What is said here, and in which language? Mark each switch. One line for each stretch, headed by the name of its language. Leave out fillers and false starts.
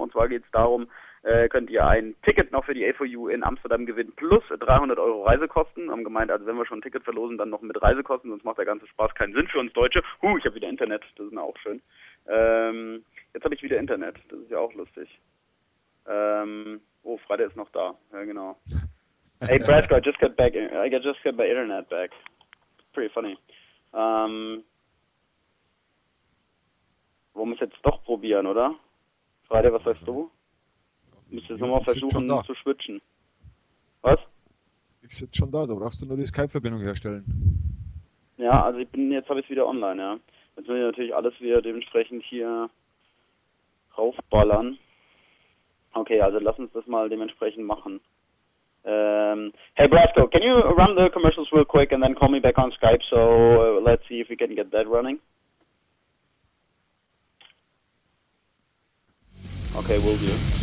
German: Und zwar geht es darum, könnt ihr ein Ticket noch für die A4U in Amsterdam gewinnen, plus 300 Euro Reisekosten. Haben gemeint, also wenn wir schon ein Ticket verlosen, dann noch mit Reisekosten, sonst macht der ganze Spaß keinen Sinn für uns Deutsche. Huh, ich habe wieder Internet, das ist auch schön. Jetzt habe ich wieder Internet, das ist ja auch lustig. Oh, Freitag ist noch da, ja genau.
English: Hey, Brasco, I just got my Internet back. Pretty funny.
German: Wollen wir es jetzt doch probieren, oder? Freitag, was sagst du? Müsst ihr es nochmal versuchen zu switchen. Was? Ich sitze schon da, da brauchst du nur die Skype-Verbindung herstellen. Ja, also ich bin, jetzt habe ich es wieder online, ja. Jetzt will ich natürlich alles wieder dementsprechend hier raufballern. Okay, also lass uns das mal dementsprechend machen.
English: Hey Brasco, can you run the commercials real quick and then call me back on Skype, so let's see if we can get that running. Okay, will do.